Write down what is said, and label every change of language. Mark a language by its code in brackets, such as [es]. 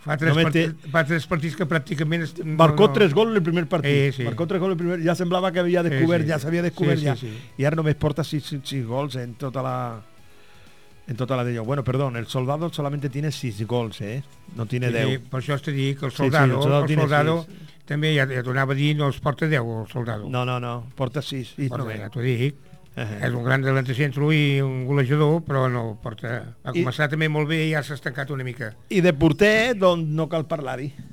[ca] Fa tres partits que pràcticament... Marcó tres gols el primer partit. Ja semblava que havia descobert, sí, sí. I ara només porta sis gols en tota la... [es] Bueno, perdó, el Soldado solamente tiene 6 gols, eh? No tiene 10. Sí, [ca] per això t'he dit que el Soldado també ja t'anava a dir, no els porta 10, el Soldado. No, porta 6. Bueno, ja t'ho dic. És un gran delantercentro i un golejador, però no porta... Ha començat també molt bé i ja s'ha estancat una mica. I de porter, doncs, no cal parlar-hi.